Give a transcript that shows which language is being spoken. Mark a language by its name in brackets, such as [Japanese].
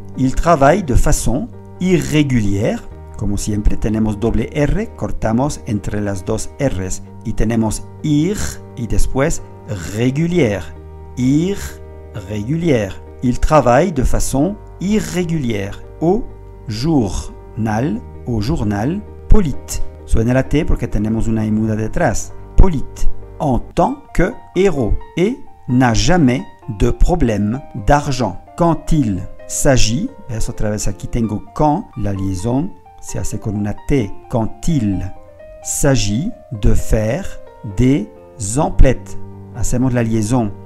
[French] Il travaille de façon irrégulière. [Spanish] Como siempre, tenemos doble R, cortamos entre las dos R's. Y tenemos ir y después régulière. [French] Irrégulière. Il travaille de façon irrégulière. Au journal Polit. [Spanish] Suena la T porque tenemos una I muda detrás. [French] Polit. En tant que héros. Et n'a jamais de problème d'argent. Quand il s'agit, [Spanish] eso otra vez aquí tengo quand, la liaison, [French] c'est assez [Spanish] con una T. [French] Quand il s'agit de faire des emplettes. [Spanish] Hacemos la liaison.